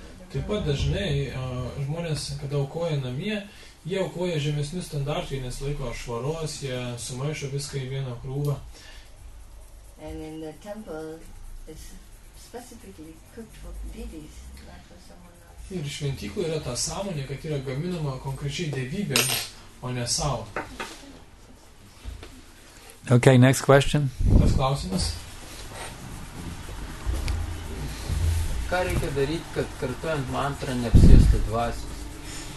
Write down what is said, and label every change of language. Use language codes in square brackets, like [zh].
[lt] Taip pat dažnai žmonės, kada aukoja namie, jie aukoja žemesnių standartų, jie nesilaiko švaros, jie sumaišo viską į vieną krūvą. [en] And in the temple it's specifically cooked for deities, not for someone else. [lt] Ir šventyklų yra ta sąmonė, kad yra gaminama konkrečiai devybėms, o ne savo. [en] Okay, next question. [lt] Tas klausimas. Ką reikia daryti, kad kartuojant mantrą neapsėstų dvasios?